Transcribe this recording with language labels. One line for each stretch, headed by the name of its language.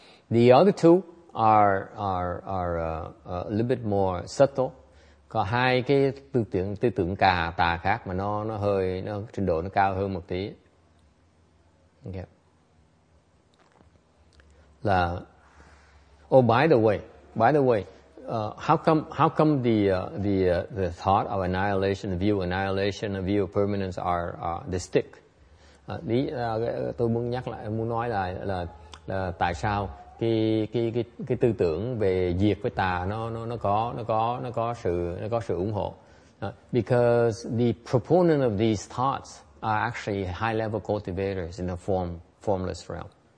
English: The other two are a little bit more subtle.
Vietnamese: Có hai cái tư tưởng cà tà khác mà nó trình độ nó cao hơn một tí.
English: Okay. Là by the way how come the thought of annihilation, the view of annihilation, the view of permanence are they stick?
Vietnamese: Tôi muốn nhắc lại, muốn nói là tại sao cái tư tưởng về diệt với tà nó có sự ủng hộ.
English: Because the proponent of these thoughts are actually high level cultivators in the formless realm.